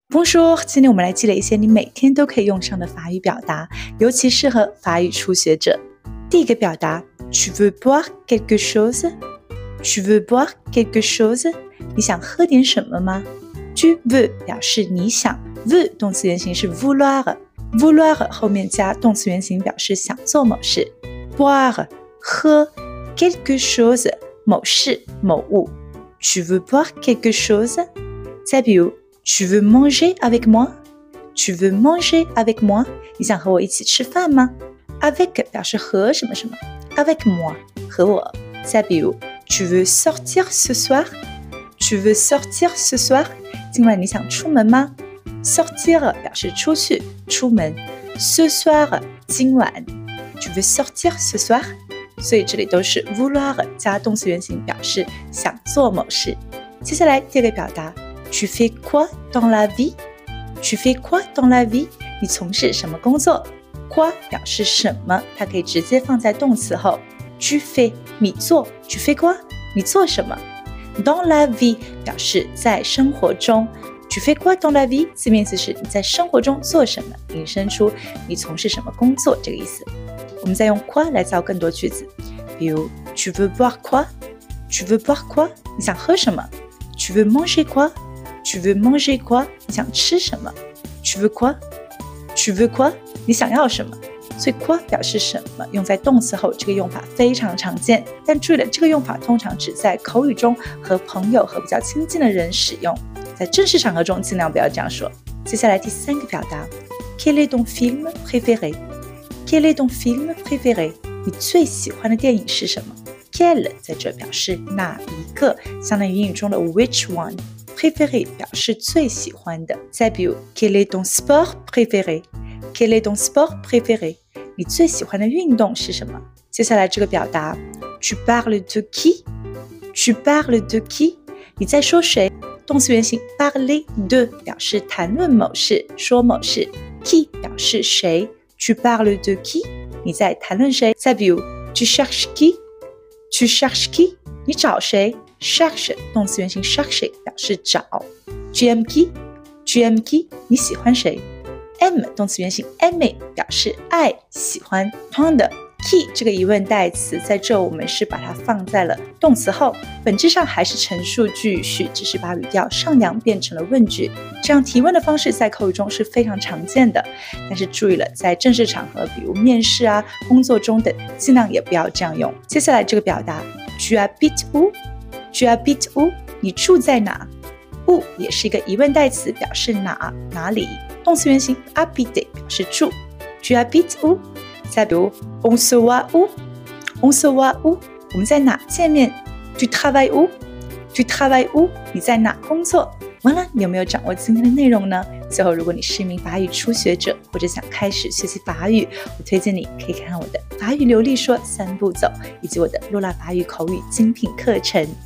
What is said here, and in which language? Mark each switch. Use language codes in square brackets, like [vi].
[zh] Bonjour， 今天我们来积累一些你每天都可以用上的法语表达，尤其适合法语初学者。第一个表达 [fr] ，Tu veux boire quelque chose？ Tu veux boire quelque chose？ [zh] 你想喝点什么吗 ？Tu veux 表示你想 ，veux 动词原形是 vouloir，vouloir 后面加动词原形表示想做某事 ，boire 喝 ，quelque chose 某事某物。 [fr] Tu veux boire quelque chose？ [zh] 再比如。 [fr] Tu veux manger avec moi? Tu veux manger avec moi? [zh] 你想和我一起吃饭吗 ？Avec 表示和什么什么 ，avec moi 和我。再比如 [fr] ，Tu veux sortir ce soir? Tu veux sortir ce soir? [zh] 今晚你想出门吗 ？Sortir 表示出去、出门。 [fr] Ce soir [zh] 今晚 [fr] ，Tu veux sortir ce soir? [zh] 所以这里都是 vouloir 加动词原形表示想做某事。接下来第二个表达。 [fr] Tu fais quoi dans la vie? Tu fais quoi dans la vie? [zh] 你从事什么工作 ？Quoi 表示什么？它可以直接放在动词后。 [fr] Tu fais 你做 ，Tu fais quoi 你做什么 ？Dans la vie [zh] 表示在生活中。 [fr] Tu fais quoi dans la vie? [zh] 字面意思是你在生活中做什么，引申出你从事什么工作这个意思。我们再用 quoi 来造更多句子，比如 [fr] Tu veux boire quoi? Tu veux boire quoi? [zh] 你想喝什么 [fr] ？Tu veux manger quoi? Tu veux manger quoi? [zh] 你想吃什么 ？ [fr] Tu veux quoi? Tu veux quoi? [zh] 你想要什么？所以 quoi 表示什么，用在动词后，这个用法非常常见。但注意了，这个用法通常只在口语中和朋友和比较亲近的人使用，在正式场合中尽量不要这样说。接下来第三个表达 [fr] ，Quel est ton film préféré? Quel est ton film préféré? [zh] 你最喜欢的电影是什么 ？Quel 在这表示哪一个，相当于英语中的 [en] which one。 [zh] Préféré 表示最喜欢的。再比如 [fr] ，Quel est ton sport préféré? Quel est ton sport préféré? [zh] 你最喜欢的运动是什么？接下来这个表达 [fr] ，Tu parles de qui? Tu parles de qui? [zh] 你在说谁？动词原形 parler de 表示谈论某事、说某事。 [fr] Qui 表示谁 ？Tu parles de qui? [zh] 你在谈论谁？ [fr] 再比如 ，Tu cherches qui? Tu cherches qui? [zh] 你找谁？ Cherche 动词原形 cherche 表示找 ，GMK 你喜欢谁 ？M 动词原形 aime 表示爱喜欢。同样的 ，key 这个疑问代词在这我们是把它放在了动词后，本质上还是陈述句序，只是把语调上扬变成了问句。这样提问的方式在口语中是非常常见的，但是注意了，在正式场合，比如面试啊、工作中等，尽量也不要这样用。接下来这个表达 [fr] ，Tu habites où？ Tu habites où? [zh] 你住在哪 ？Où 也是一个疑问代词，表示哪哪里。动词原形 habiter 表示住。 [fr] Tu habites où? [zh] 再比如 [fr] ，On se voit où? On se voit où? [zh] 我们在哪见面 ？ [fr] Tu travailles où? Tu travailles où? [zh] 你在哪工作？完了，你有没有掌握今天的内容呢？最后，如果你是一名法语初学者，或者想开始学习法语，我推荐你可以看我的法语流利说三步骤，以及我的露娜法语口语精品课程。